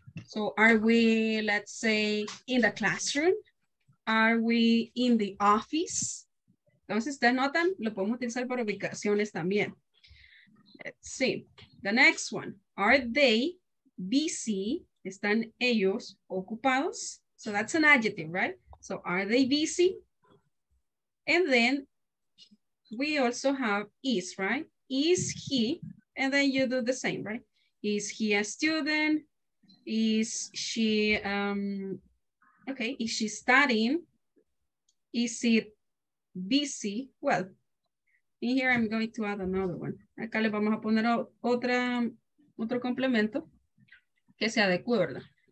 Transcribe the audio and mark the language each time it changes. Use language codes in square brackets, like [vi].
[en] So are we, let's say, in the classroom? Are we in the office? [es] Entonces, ustedes notan, lo podemos utilizar para ubicaciones también. [en] Let's see. The next one. Are they busy? [es] ¿Están ellos ocupados? [en] So that's an adjective, right? So are they busy? And then we also have is, right? Is he? And then you do the same, right? Is he a student? Is she, okay, is she studying? Is it busy? Well, in here I'm going to add another one. [es] Acá le vamos a poner otro complemento que se adecue, ¿verdad?